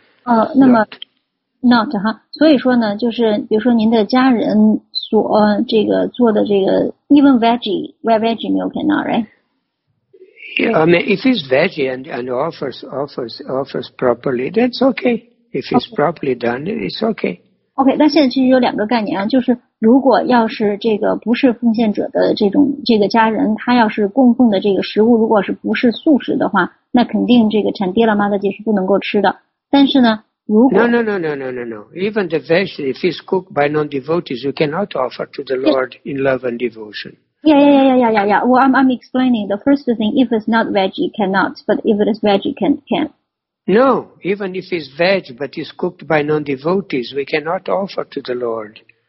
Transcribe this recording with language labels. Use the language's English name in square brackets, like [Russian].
[Chinese] 那么 not 哈，所以说呢，就是比如说您的家人所这个做的这个 [English] even veggie meal cannot, right? Yeah, I mean, if it's veggie and offers properly, that's okay. If it's properly done, it's okay. [Chinese] OK, 那现在其实有两个概念啊，就是如果要是这个不是奉献者的这个家人，他要是供奉的这个食物如果是不是素食的话，那肯定这个产爹了妈的就是不能够吃的。但是呢，如果 [English] No. Even the vegetable, if it's cooked by non-devotees, you cannot offer to the Lord in love and devotion. Yeah. Well, I'm explaining the first thing, if it's not veggie, cannot. But if it is veggie, can. No, even if it's veg, but it's cooked by non-devotees, we cannot offer to the Lord.